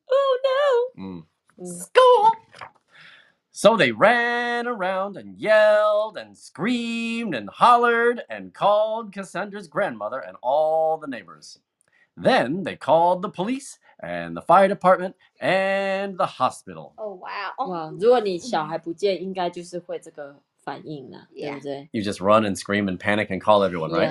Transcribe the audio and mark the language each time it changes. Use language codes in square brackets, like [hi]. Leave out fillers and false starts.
[en] Oh no. School. So they ran around and yelled and screamed and hollered and called Cassandra's grandmother and all the neighbors. Then they called the police and the fire department and the hospital. Oh, wow. [zh] Wow, 如果你小孩不见应该就是会这个反应了、yeah. 对不对 [en] You just run and scream and panic and call everyone, right?